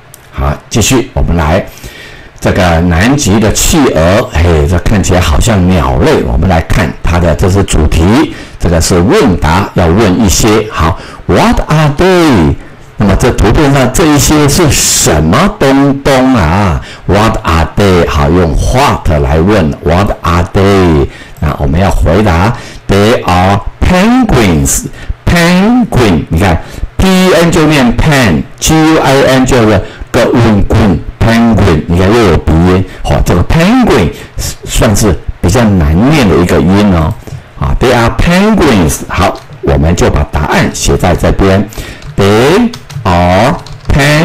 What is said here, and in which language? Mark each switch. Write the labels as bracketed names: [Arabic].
[Chinese] 好，继续我们来这个南极的企鹅，嘿，这看起来好像鸟类，我们来看它的，这是主题。这个是问答，要问一些。好 ， [English] What are they？ [Chinese] 那么这图片上这一些是什么东东啊 ？ [English] What are they？ [Chinese] 好，用 what 来问 ， [English] What are they？ [Chinese] 那我们要回答 [English] ，They are penguins. [Chinese] Penguin， 你看 ，P N 就念 pen，G I N 就是 penguin。 Penguin， 你看又有鼻音，好，这个 penguin 算是比较难念的一个音哦。 [English] They are penguins. [Chinese] 好，我们就把答案写在这边。 [English] They are penguins.